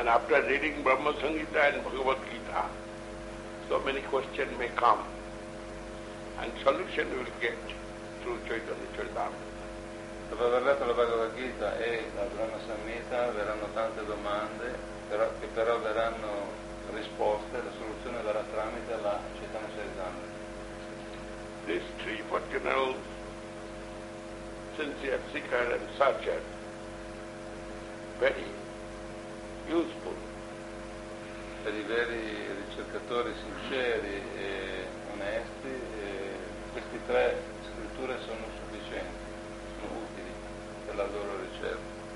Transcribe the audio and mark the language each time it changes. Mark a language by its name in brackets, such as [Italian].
[English] And after reading Brahma Sangita and Bhagavad Gita, so many questions may come and solution will get through Chaitanya Charitamrita. [Italian] Dopo aver letto la Bhagavad Gita e la Brahma Sangita verranno tante domande che però verranno risposte, la soluzione verrà tramite la Chaitanya Charitamrita. [English] These three fortunate sincere seeker and searcher, very useful. [Italian] Per i veri ricercatori sinceri e onesti, queste tre scritture sono sufficienti, sono utili per la loro ricerca.